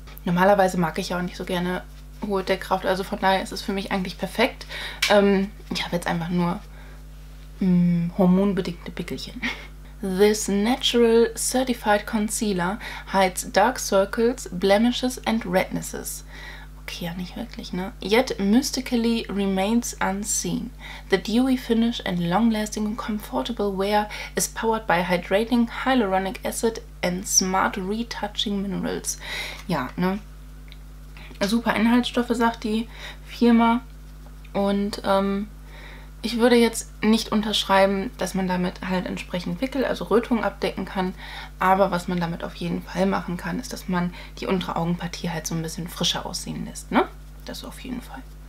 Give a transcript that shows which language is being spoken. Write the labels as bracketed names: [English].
[German] Normalerweise mag ich ja auch nicht so gerne hohe Deckkraft, also von daher ist es für mich eigentlich perfekt. Ich habe jetzt einfach nur hormonbedingte Pickelchen. [English] This Natural Certified Concealer hides dark circles, blemishes and rednesses. [German] Okay, ja, nicht wirklich, ne? [English] Yet mystically remains unseen. The dewy finish and long-lasting comfortable wear is powered by hydrating hyaluronic acid and smart retouching minerals. [German] Ja, ne? Super Inhaltsstoffe, sagt die Firma. Und ich würde jetzt nicht unterschreiben, dass man damit halt entsprechend Pickel, also Rötungen abdecken kann. Aber was man damit auf jeden Fall machen kann, ist, dass man die untere Augenpartie halt so ein bisschen frischer aussehen lässt, ne? Das auf jeden Fall.